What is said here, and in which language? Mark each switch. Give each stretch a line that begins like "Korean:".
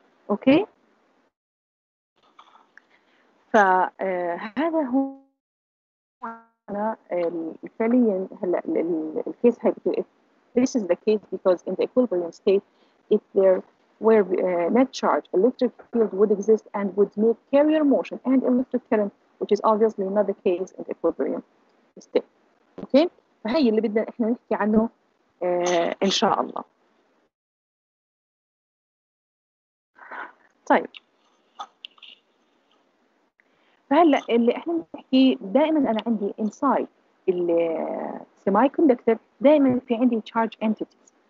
Arabic: اوكي، فهذا هو أنا فعليا هلا ال case هاي.
English: This is the case because in the equilibrium state, if there were net charge, electric field would exist and would make carrier motion and electric current, which is obviously not the case in the equilibrium state.
Arabic: Okay, فهي اللي بدنا إحنا نحكي عنه إن شاء الله. طيب. فهلا اللي احنا بنحكي دائما انا عندي انسايد السيمي كوندكتور دائما في عندي تشارج انتيتيز.